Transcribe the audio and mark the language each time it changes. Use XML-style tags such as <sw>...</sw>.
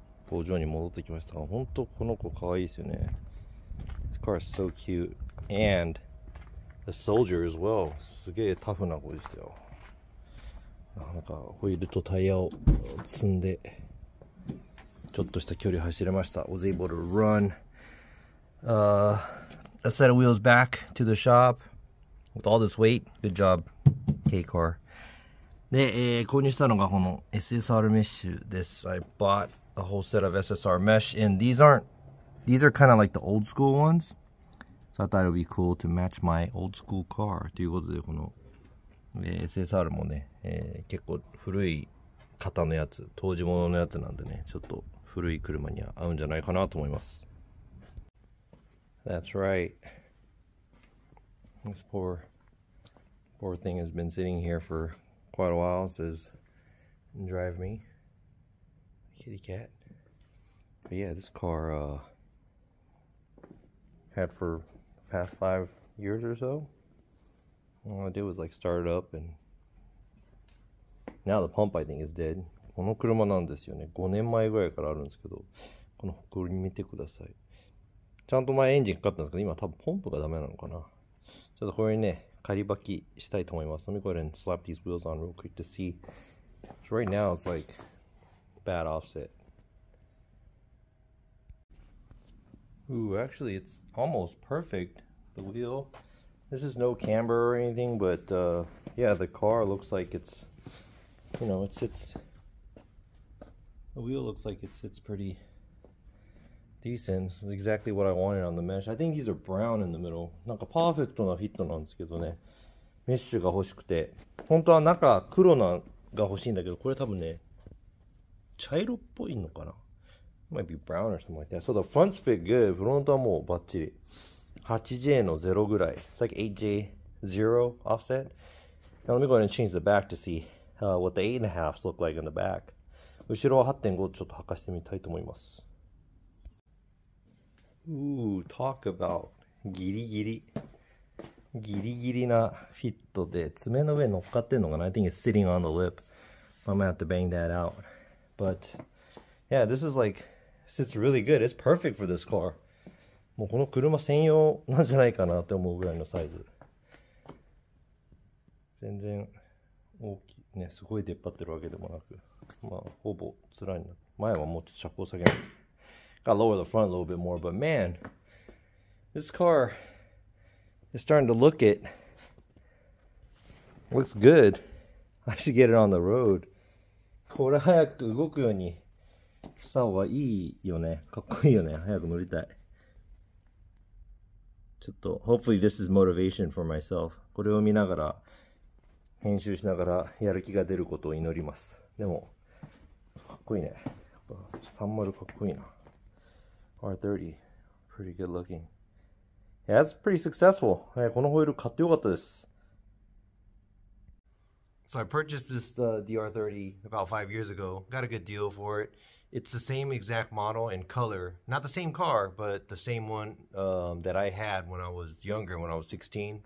<ja>工場に戻ってきました。本当この子かわいいですよね。</ja> <en>This car is so cute. And a soldier as well.</en> <ja>すげえタフな子でしたよ。なんかホイールとタイヤを積んでちょっとした距離走れました。</ja> <en>Was able to run a set of wheels back to the shop with all this weight. Good job, K car.</en> <ja>で、購入したのがこの SSR メッシュです。</ja> <en>I bought a whole set of SSR mesh and these are kind of like the old school ones. So I thought it would be cool to match my old school car.</en> <ja>ということでこの、SSR もね、結構古い型のやつ、当時物のやつなんでね、ちょっと古い車には合うんじゃないかなと思います。</ja> <en>That's right. This poor thing has been sitting here forquite a while, says, drive me, kitty cat. But yeah, this car had for the past 5 years or so. All I did was like start it up and now the pump I think is dead.</en> <ja>この車なんですよね。 5年前ぐらいからあるんですけど、このホコリ見てください。ちゃんと前エンジンかかったんですけど、今多分ポンプがダメなのかな。ちょっとこれね、</ja> <en>Let me go ahead and slap these wheels on real quick to see. So right now it's like bad offset. Ooh, actually it's almost perfect, the wheel. This is no camber or anything, but yeah, the car looks like it's, you know, the wheel looks like it's pretty decent. This is exactly what I wanted on the mesh. I think these are brown in the middle.</en> <ja>なんかパーフェクトなフィットなんですけどね。メッシュが欲しくて。本当は中黒なが欲しいんだけど、これ多分ね、茶色っぽいのかな。</ja> <en>Might be brown or something like that. So the front's fit good.</en> <ja>フロントはもうバッチリ。 8J の0ぐらい。</ja> <en>It's like 8J0 offset. Now let me go ahead and change the back to see what the 8.5s look like in the back.</en> <ja>後ろは 8.5 ちょっと測してみたいと思います。</ja> <en>Ooh, talk about</en> <ja>ギリギリ。ギリギリなフィットで、爪の上乗っかってんのかな?</ja> <en>I think it's sitting on the lip. I'm gonna have to bang that out. But, yeah, this is like, it's really good. It's perfect for this car.</en> <ja>もうこの車専用なんじゃないかなって思うぐらいのサイズ。全然大きい。ね、すごい出っ張ってるわけでもなく。まあ、ほぼ面になる。前はもうちょっと車高下げない。</ja> <en>Gotta lower the front a little bit more, but man, this car is starting to look it. Looks good. I should get it on the road.</en> <ja>これ早く動くようにサオはいいよね。かっこいいよね。早く乗りたい。</ja> <en>ちょっと、hopefully this is motivation for myself。</en> <ja>これを見ながら、編集しながらやる気が出ることを祈ります。でも、かっこいいね。30かっこいいな。</ja> <en>R30、pretty good looking。 Yeah, that's pretty successful。</en> <ja>このホイール買ってよかったです。</ja> <en>So I purchased this DR30 about 5 years ago. Got a good deal for it. It's the same exact model and color. Not the same car, but the same one that I had when I was younger, when I was 16.</en>